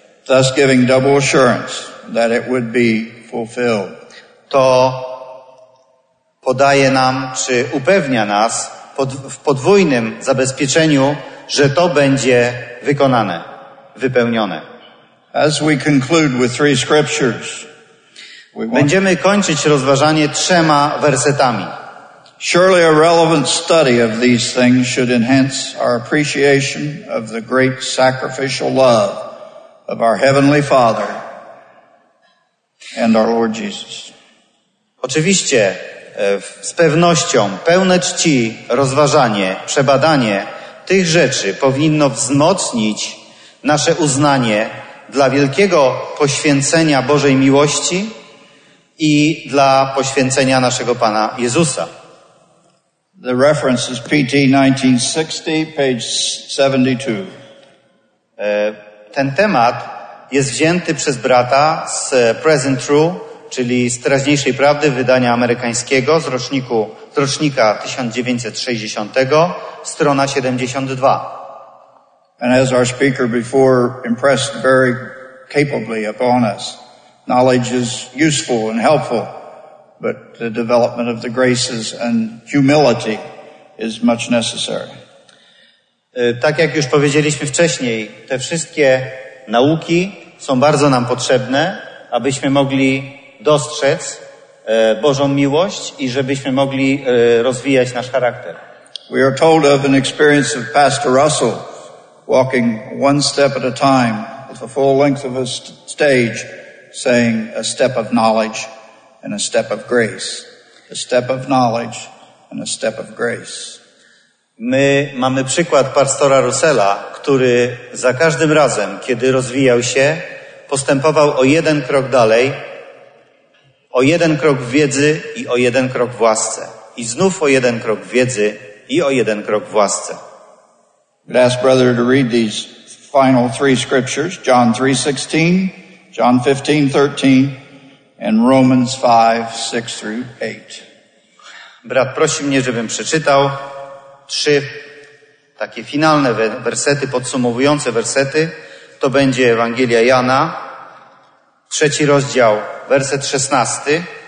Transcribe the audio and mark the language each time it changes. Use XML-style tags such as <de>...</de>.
<en>Thus giving double assurance that it would be fulfilled.</en> <pl>To podaje nam, czy upewnia nas w podwójnym zabezpieczeniu, że to będzie wykonane, wypełnione.</pl> <en>As we conclude with three scriptures,</en> <pl>będziemy kończyć rozważanie trzema wersetami.</pl> <en>Surely a relevant study of these things should enhance our appreciation of the great sacrificial love of our Heavenly Father and our Lord Jesus.</en> <pl>Oczywiście, z pewnością, pełne czci rozważanie, przebadanie tych rzeczy powinno wzmocnić nasze uznanie dla wielkiego poświęcenia Bożej miłości i dla poświęcenia naszego Pana Jezusa.</pl> <en>The reference is PT 1960, page 72.</en> <pl>Ten temat jest wzięty przez brata z Present True, czyli z teraźniejszej prawdy wydania amerykańskiego z rocznika 1960, strona 72.</pl> <en>And as our speaker before impressed very capably upon us, knowledge is useful and helpful, but the development of the graces and humility is much necessary.</en> <pl>Tak jak już powiedzieliśmy wcześniej, te wszystkie nauki są bardzo nam potrzebne, abyśmy mogli dostrzec Bożą miłość i żebyśmy mogli rozwijać nasz charakter.</pl> <en>We are told of an experience of Pastor Russell walking one step at a time with the full length of a stage saying a step of knowledge and a step of grace. A step of knowledge and a step of grace.</en> <pl>My mamy przykład pastora Russella, który za każdym razem, kiedy rozwijał się, postępował o jeden krok dalej, o jeden krok w wiedzy i o jeden krok w łasce. I znów o jeden krok w wiedzy i o jeden krok w łasce.</pl> <en>I'd ask brother to read these final three scriptures, John 3:16, John 15:13, and Romans 5:6-8.</en> <pl>Brat prosi mnie, żebym przeczytał trzy takie finalne wersety, podsumowujące wersety. To będzie Ewangelia Jana, trzeci rozdział, werset 16.</pl>